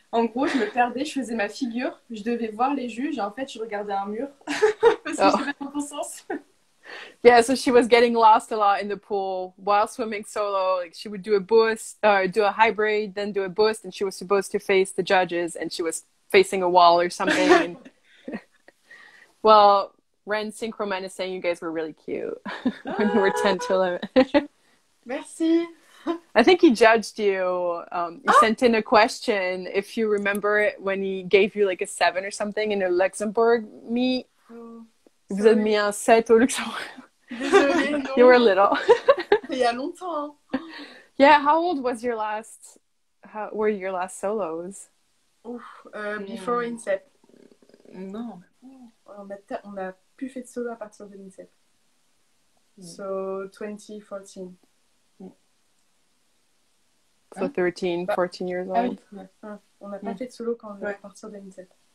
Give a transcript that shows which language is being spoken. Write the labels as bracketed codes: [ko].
[fr] En gros, je me perdais, je faisais ma figure, je devais voir les juges, et en fait, je regardais un mur parce que j'avais pas conscience. [en] Yeah, so she was getting lost a lot in the pool while swimming solo. Like she would do a boost, do a hybrid, then do a boost, and she was supposed to face the judges, and she was facing a wall or something. And... well. Ren Synchroman is saying you guys were really cute when you were 10 to 11. [fr] Merci. [en] I think he judged you. He sent in a question, if you remember it, when he gave you like a 7 or something in a Luxembourg meet. [fr] Oh, vous avez mis un 7 au Luxembourg. Désolé, [en] you were little. [fr] Il y a longtemps. [en] Yeah, how old was your last, how were your last solos? Before Incept. No. [fr] On a plus fait de solo à partir de 2007. [en] So 2014. Mm. So 13, 14 years old. [fr] Ah, oui. On n'a pas fait de solo quand on est à partir de 2007.